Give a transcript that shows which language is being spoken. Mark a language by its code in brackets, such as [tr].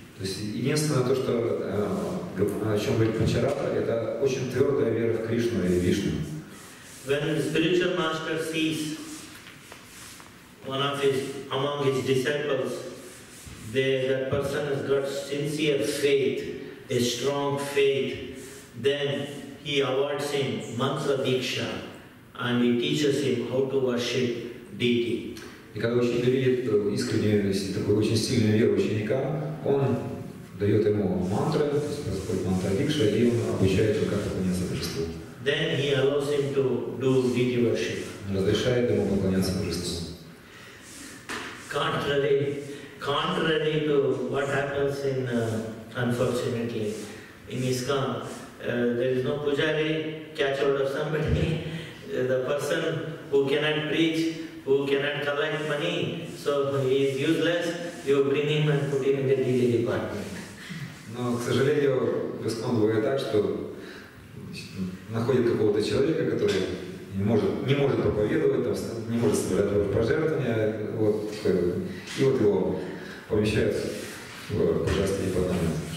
[ru] То есть единственное то, что о чем говорит Панчаратра, это очень твердая вера в Кришну или Вишну. [en] When the spiritual master sees among his disciples, that person has got sincere faith, a strong faith, then he awards him mantra diksha and he teaches him how to worship deity. [ru] И когда ученик видит искреннюю, такую очень сильную веру ученика, он дает ему мантры, то есть Господь мантра дикша, и он обучает его, как поклоняться Божеству. [en] Then he allows him to do deity worship. [ru] Разрешает ему поклоняться Божеству. [en] Contrary to what happens in, unfortunately, in ISKCON, there is no pujari catch hold of somebody. The person who cannot preach, who cannot collect money, so he is useless, you bring him and put him in the DD department. [ru] Но, к сожалению, в ISKCON бывает так, что находят какого-то человека, который не может проповедовать, там, не может собирать пожертвования, и вот его помещают в пожарский департамент.